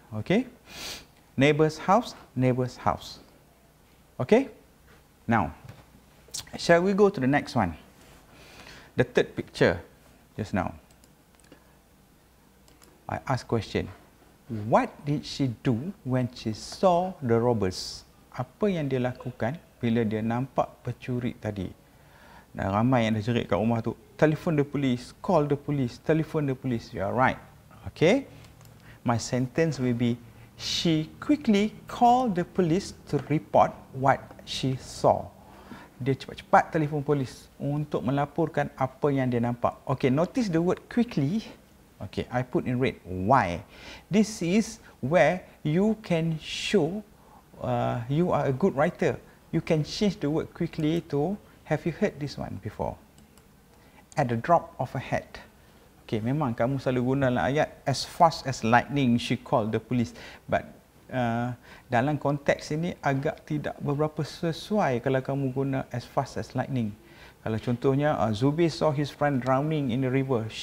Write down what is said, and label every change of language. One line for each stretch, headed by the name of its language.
English: Okay, neighbor's house, neighbor's house. Okay, now. Shall we go to the next one? The third picture, just now. I ask question. What did she do when she saw the robbers?
Malay: Apa yang dia lakukan bila dia nampak pencuri tadi? Dan ramai yang dah jerit kat rumah tu. Telefon
English: the police. Call the police.
Malay: Telefon
English: the police. You are right. Okay? My sentence will be, she quickly called the police to report what she saw.
Malay: Dia cepat-cepat telefon polis untuk melaporkan apa yang dia nampak.
English: Okay, notice the word quickly. Okay, I put in red. Why? This is where you can show you are a good writer. You can change the word quickly to, have you heard this one before? At the drop of a hat. Okay, okay,
Malay: memang kamu selalu guna dalam ayat,
English: as fast as lightning she called the police.
Malay: But dalam konteks ini agak tidak beberapa sesuai kalau kamu guna
English: as fast as lightning.
Malay: Kalau contohnya,
English: Zubi saw his friend drowning in the river.